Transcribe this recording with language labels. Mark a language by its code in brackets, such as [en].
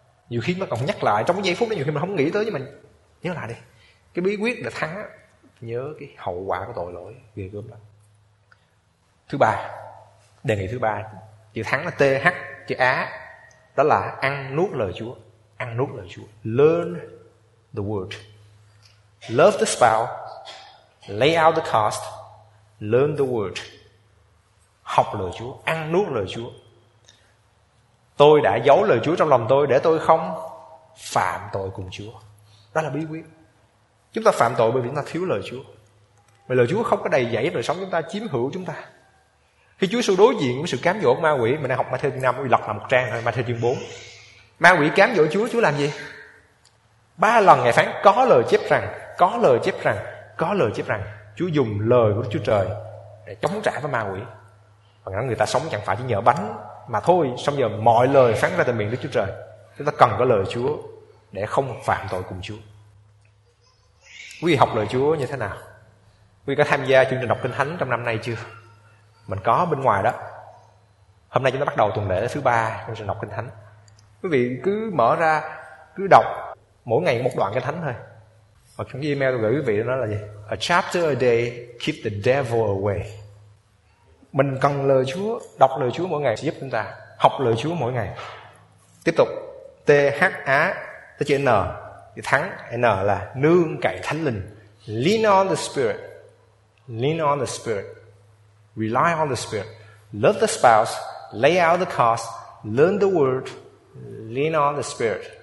[vi] Nhiều khi nó còn nhắc lại trong cái giây phút đó, nhiều khi mình không nghĩ tới, nhưng mà nhớ lại đi, cái bí quyết là thắng, nhớ cái hậu quả của tội lỗi ghê gớm lắm. Thứ ba, đề nghị thứ ba, chữ thắng là TH, chữ Á, đó là ăn nuốt lời Chúa. Ăn nuốt lời Chúa. [en] Learn the word. Love the spouse, lay out the cost, learn the word. [vi] Học lời Chúa, ăn nuốt lời Chúa. Tôi đã giấu lời Chúa trong lòng tôi để tôi không phạm tội cùng Chúa. Đó là bí quyết. Chúng ta phạm tội bởi vì chúng ta thiếu lời Chúa. Vì lời Chúa không có đầy dẫy đời sống chúng ta, chiếm hữu chúng ta. Khi Chúa Giêsu đối diện với sự cám dỗ của ma quỷ, mình đang học Ma-thi-ơ chương 5, mình lật lại một trang thôi, Ma-thi-ơ chương 4. Ma quỷ cám dỗ Chúa, Chúa làm gì? Ba lần Ngài phán có lời chép rằng, có lời chép rằng, có lời chép rằng. Chúa dùng lời của Đức Chúa Trời để chống trả với ma quỷ. Và người ta sống chẳng phải chỉ nhờ bánh mà thôi, xong giờ mọi lời phán ra từ miệng Đức Chúa Trời. Chúng ta cần có lời Chúa để không phạm tội cùng Chúa. Quý vị học lời Chúa như thế nào? Quý vị có tham gia chương trình đọc Kinh Thánh trong năm nay chưa? Mình có bên ngoài đó. Hôm nay chúng ta bắt đầu tuần lễ thứ 3 chương trình đọc Kinh Thánh. Quý vị cứ mở ra, cứ đọc mỗi ngày một đoạn Kinh Thánh thôi. Và trong cái email tôi gửi quý vị đó là gì? [en] A chapter a day keep the devil away. [vi] Mình cần lời Chúa, đọc lời Chúa mỗi ngày sẽ giúp chúng ta học lời Chúa mỗi ngày. Tiếp tục, THA, chữ thắng, N là nương cậy Thánh Linh. [en] Lean on the Spirit. Lean on the Spirit. Rely on the Spirit. Love the spouse. Lay out the cost. Learn the word. Lean on the Spirit.